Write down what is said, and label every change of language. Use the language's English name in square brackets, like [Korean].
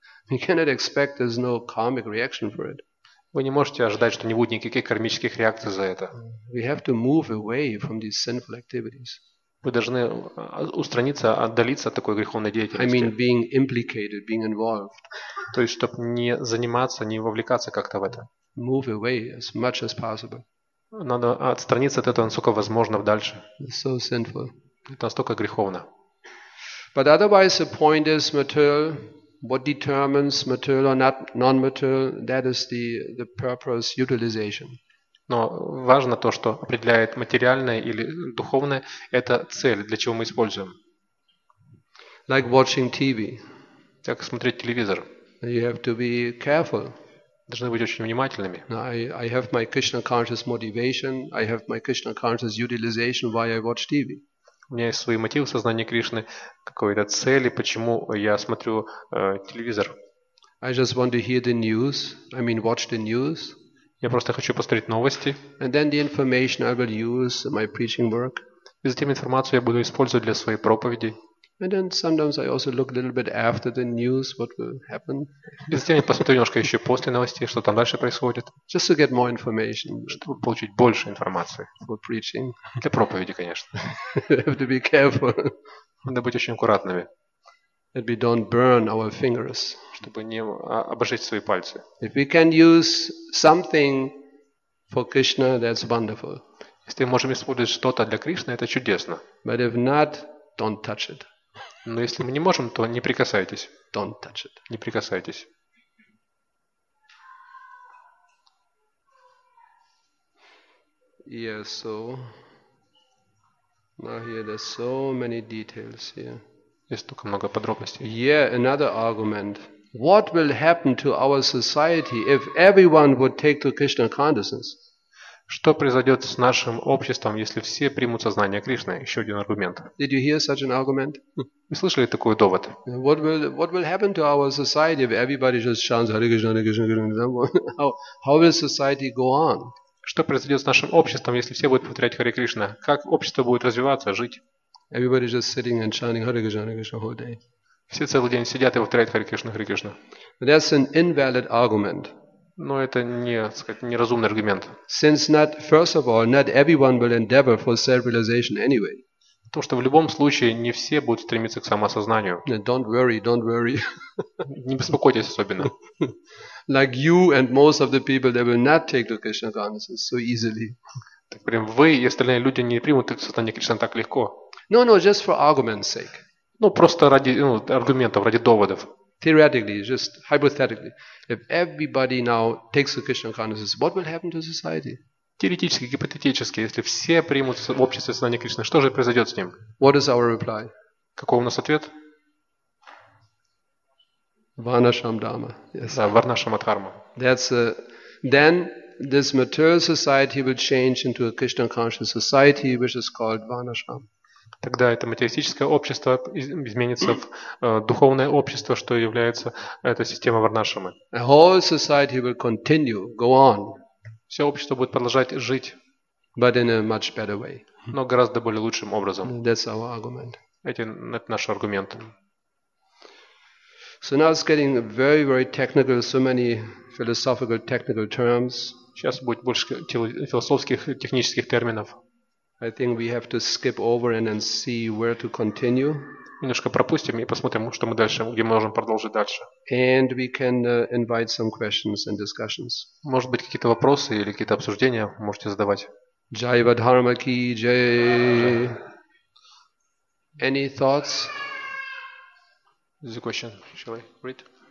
[English] You cannot expect there's no karmic reaction for it. [Russian] Вы не можете ожидать, что не будет никаких кармических реакций за это. [English] We have to move away from these sinful activities. [Russian] Вы должны устраниться, отдалиться от такой греховной [English] I [Russian] деятельности. [English] mean being implicated, being involved. [Russian] То есть, чтобы не заниматься, не вовлекаться как-то в это. [English] Move away as much as possible. [Russian] Надо отстраниться от этого, насколько возможно, дальше. [English] So sinful. [Russian] Это настолько греховно. [English] But otherwise the point is material, what determines material or not non-material, that is the purpose utilization. [Russian] Но важно то, что определяет материальное или духовное, это цель, для чего мы используем. [English] Like watching TV. [Russian] Как смотреть телевизор. [English] You have to be careful. [Russian] Должны быть очень внимательными. [English] I have my Krishna conscious motivation, I have my Krishna conscious utilization why I watch TV. [Russian] У меня есть свои мотивы сознания Кришны, какой-то цели, почему я смотрю телевизор. [English] I just want to hear the news, I mean watch the news. [Russian] Я просто хочу посмотреть новости. [English] And then the information I will use in my preaching work. [Russian] И затем информацию я буду использовать для своей проповеди. [English] And then sometimes I also look a little bit after the news, what will happen. [Russian] И затем я посмотрю немножко еще после новостей, что там дальше происходит. [English] Just to get more information. [Russian] Чтобы получить больше информации. [English] For preaching. [Russian] Для проповеди, конечно. [English] Have to be careful. [Russian] Надо быть очень аккуратными. [English] That we don't burn our fingers. [Russian] Чтобы не обожечь свои пальцы. [English] If we can use something for Krishna, that's wonderful. [Russian] Если мы можем использовать что-то для Кришны, это чудесно. [English] But if not, don't touch it. [Russian] Но если мы не можем, то не прикасайтесь. [English] Don't touch it. [Russian] Не прикасайтесь. [English] Yes, so now here there's so many details here. [Russian] Есть только много подробностей. [English] Yeah, another argument. What will happen to our society if everyone would take to Krishna consciousness? [Russian] Что произойдет с нашим обществом, если все примут сознание Кришны? Еще один аргумент. [English] Did you hear such an argument? [Russian] Вы слышали такой довод? [English] What will happen to our society if everybody just chants Hare Krishna, Hare Krishna, Hare Krishna? How will society go on? [Russian] Что произойдет с нашим обществом, если все будут повторять Харе Кришна? Как общество будет развиваться, жить? [English] Everybody just sitting and chanting Hare Krishna, Hare Krishna whole day. [Russian] Все целый день сидят и повторяют Hare Krishna, Hare Krishna. [English] That's an invalid argument. [Russian] Но это не, так сказать, неразумный аргумент. [English] Since not, first of all, not everyone will endeavor for self-realization anyway. [Russian] То, что в любом случае не все будут стремиться к самосознанию. [English] Don't worry, don't worry. [Russian] Не беспокойтесь особенно. [English] Like you and most of the people, they will not take to Krishna consciousness so easily. [Russian] Так прям вы и остальные люди не примут сознание Кришны так легко. [English] No, no, just for argument's sake. [Russian] Ну, просто ради, ну, аргументов, ради доводов. [English] Theoretically, just hypothetically, if everybody now takes the Krishna consciousness, what will happen to society? [Russian] Теоретически, гипотетически, если все примут в обществе сознание Кришны, что же произойдет с ним? [English] What is our reply? [Russian] Какой у нас ответ? Варнашам дхамма. Yes. Да, варнашама дхарма. [English] That's a, then this material society will change into a Krishna conscious society, which is called Varnashram. [Russian] Тогда это материалистическое общество изменится в духовное общество, что является эта система варнашрамы. [English] The whole society will continue, go on. [Russian] Все общество будет продолжать жить, [English] but in a much better way. [Russian] Но гораздо более лучшим образом. [English] That's our argument. [Russian] Это наш аргумент. [English] So now it's getting very, very technical, so many philosophical, technical terms. [Russian] Сейчас будет больше философских, технических терминов. [English] I think we have to skip over and then see where to continue. [Russian] Немножко пропустим и посмотрим, что мы дальше, где мы можем продолжить дальше. [English] And we can invite some questions and discussions. [Russian] Может быть, какие-то вопросы или какие-то обсуждения можете задавать. [English] Jai Vadharma ki jai. Any thoughts? The question. Shall I read?